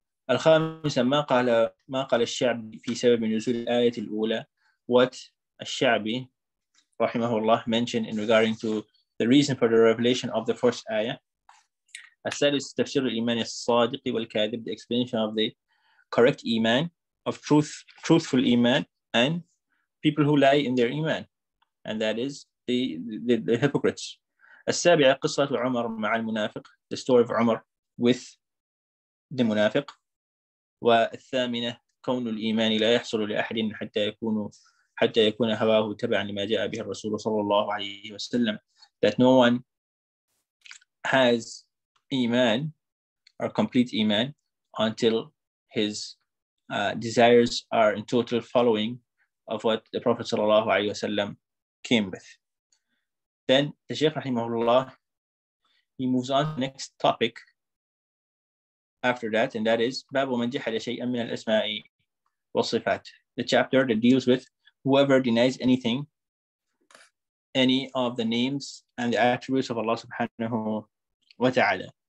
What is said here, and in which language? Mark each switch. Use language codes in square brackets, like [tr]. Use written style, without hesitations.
[ar] الخامسة ما قال ما قال الشعبي في سبب نزول الآية الأولى [en] what الشعبي رحمه الله mentioned in regarding to the reason for the revelation of the first ayah. [ar] الثالث تفسير الإيمان الصادق والكاذب [en] the explanation of the correct إيمان of truthful إيمان and people who lie in their إيمان and that is the hypocrites. [ar] السابعة قصة عمر مع المنافق [en] the story of عمر with the منافق [ar] والثامنة كون الإيمان لا يحصل لأحد حتى يكون هواه تبعا لما جاء به الرسول صلى الله عليه وسلم [en] that no one has إيمان or complete إيمان until his desires are in total following of what the Prophet صلى الله عليه وسلم came with. Then the Sheikh رحمه الله he moves on to the next topic after that, and that is [ar] بَابُ مَنْ جَحَدَ شَيْئًا مِنَ الْأَسْمَاءِ وَالصِّفَاتِ [en] the chapter that deals with whoever denies anything, any of the names and the attributes of Allah subhanahu wa ta'ala.